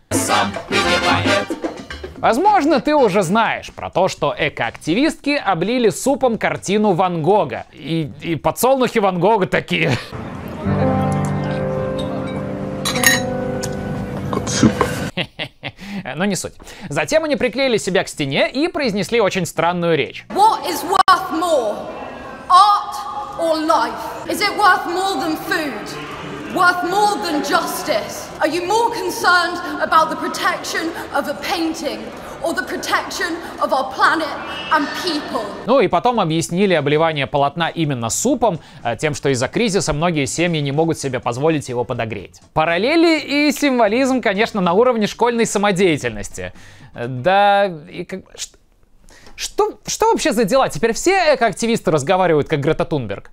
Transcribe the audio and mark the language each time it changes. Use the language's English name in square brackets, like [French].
[Russian] Сам понимает. Возможно, ты уже знаешь про то, что экоактивистки облили супом картину Ван Гога. И подсолнухи Ван Гога такие. Но не суть. Затем они приклеили себя к стене и произнесли очень странную речь. [English] What is worth more? Art or life? Is it worth more than food? Worth more than justice? Are you more concerned about the protection of a painting? Or the protection of our planet and people? [Russian] Ну и потом объяснили обливание полотна именно супом, тем, что из-за кризиса многие семьи не могут себе позволить его подогреть. Параллели и символизм, конечно, на уровне школьной самодеятельности. Да, и как... Что вообще за дела? Теперь все экоактивисты разговаривают как Грета Тунберг.